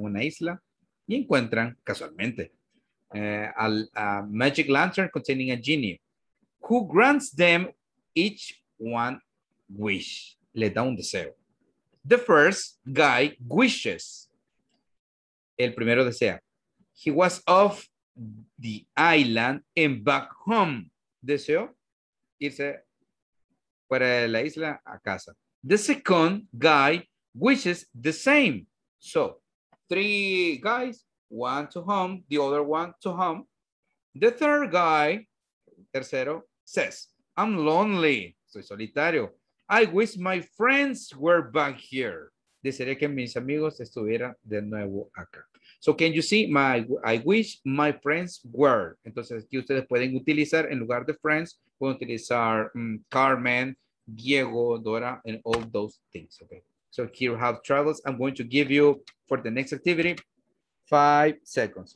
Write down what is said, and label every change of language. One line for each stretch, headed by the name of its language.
Spanish: Una isla y encuentran casualmente a
English: magic lantern containing a genie who grants them each one wish.
Spanish: Le da un deseo.
English: The first guy wishes.
Spanish: El primero desea.
English: He was off the island and back home.
Spanish: Deseo irse fuera de la isla a casa.
English: The second guy wishes the same. So, three guys, one to home, the other one to home. The third guy,
Spanish: tercero,
English: says, I'm lonely.
Spanish: Soy solitario.
English: I wish my friends were back here.
Spanish: Desearía que mis amigos estuvieran de nuevo acá.
English: So, can you see I wish my friends were.
Spanish: Entonces, aquí ustedes pueden utilizar, en lugar de friends, pueden utilizar Carmen, Diego, Dora,
English: and all those things. Okay. So, here you have travels. I'm going to give you, for the next activity, 5 seconds.